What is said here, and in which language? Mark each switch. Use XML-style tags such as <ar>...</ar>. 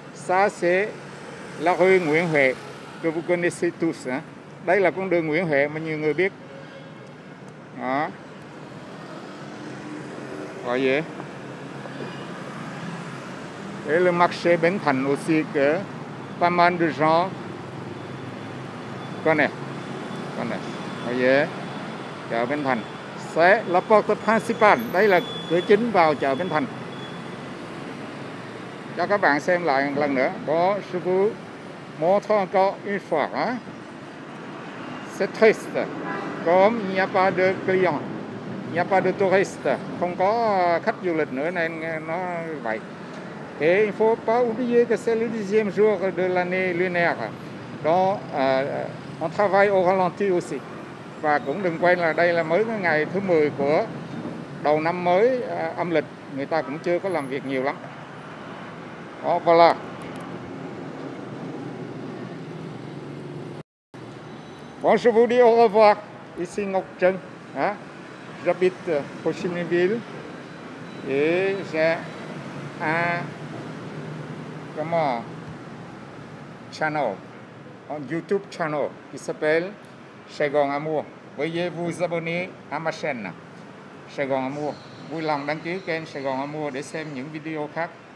<fr>Ça c'est la rue Nguyễn Huệ, que vous connaissez tous.</fr> <vi>Đây là con đường Nguyễn Huệ mà nhiều người biết. Đó. Gọi gì?</vi> <fr>Et le marché Bến Thành aussi que pas mal de gens connaissent.</fr> <vi>Gọi gì? Chợ Bến Thành.</vi> <fr>C'est la porte principale.</fr> <vi>Đây là cửa chính vào chợ Bến Thành. Cho các bạn xem lại một lần nữa.</vi> <fr>Bon, je vous montre encore une fois. Hein? C'est triste. Comme il n'y a pas de clients. Il n'y a pas de touristes.</fr> <vi>Không có khách du lịch nữa nên nó vậy.</vi> <fr>Et il ne faut pas oublier que c'est le 10e jour de l'année lunaire. Donc, on travaille au ralenti aussi.</fr> <vi>Và cũng đừng quên là đây là mới cái ngày thứ 10 của đầu năm mới âm lịch. Người ta cũng chưa có làm việc nhiều lắm.</vi> <fr>Oh, voilà. Bon, je vous dis au revoir. Ici Ngọc Trân. J'habite Hồ Chí Minh Ville. Et j'ai un channel, un YouTube channel qui s'appelle Sài Gòn Amour. Veuillez vous abonner à ma chaîne Sài Gòn Amour.</fr> <vi>Vui lòng đăng ký kênh Sài Gòn Amour để xem những video khác.</vi>